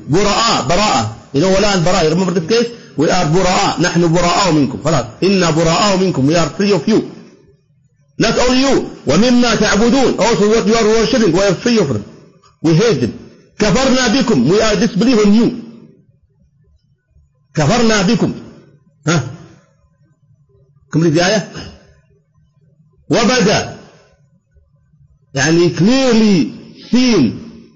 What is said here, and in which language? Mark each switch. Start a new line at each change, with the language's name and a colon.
English: Bura'a, bara'a. You know, wala and bara'a. You remember this case? We are bura'a,
Arabic: نحن بُرَآءُ مِنْكُمْ. خلاص, إِنَّا بُرَآءُ مِنْكُمْ.
English: We are free of you. Not only you.
Arabic: وَمِمَّا تَعْبُدُونَ
English: Also what you are worshipping, we are free of them. We hate them.
Arabic: كَفَرْنَا بِكُمْ
English: We are disbelieving you.
Arabic: كَفَرْنَا بِكُمْ Huh?
English: Come read the ayah.
Arabic: وَبَدَى يعني
English: clearly seen.